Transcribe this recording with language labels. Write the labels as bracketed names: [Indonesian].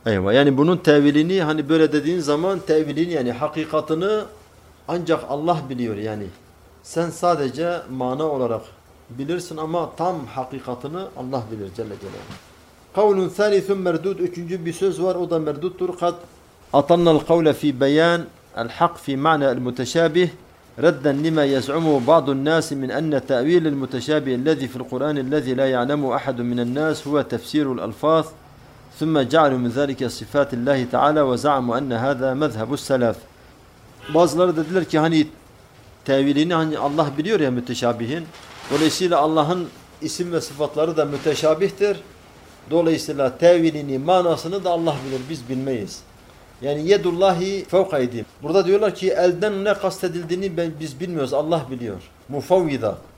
[Turkish] Eyvah, yani bunun tevilini, hani böyle dediğin zaman tevilini, yani hakikatını ancak Allah biliyor yani. Sen sadece mana olarak bilirsin ama tam hakikatını Allah bilir Celle Celaluhu. [Arabic] قَوْلٌ ثَالِثٌ مَرْدُودٌ. [Turkish] Üçüncü bir söz var, o da merduttur. [Arabic] قَدْ اَطَلْنَا الْقَوْلَ فِي بَيَانٍ الحق في معنى المتشابه ردا لما يزعمه بعض الناس من أن تأويل المتشابه الذي في القرآن الذي لا يعلم أحد من الناس هو تفسير الألفاظ ثم جعلوا من ذلك صفات الله تعالى وزعموا أن هذا مذهب السلف. [Turkish] Bazıları dediler ki hani tevilini hani Allah biliyor ya müteşabihin, dolayısıyla Allah'ın isim ve sıfatları da müteşabihtir, dolayısıyla tevilini, manasını da Allah bilir, biz bilmeyiz. Yani yedullahi fevkaydı. Burada diyorlar ki elden ne kastedildiğini biz bilmiyoruz. Allah biliyor. Mufavvida.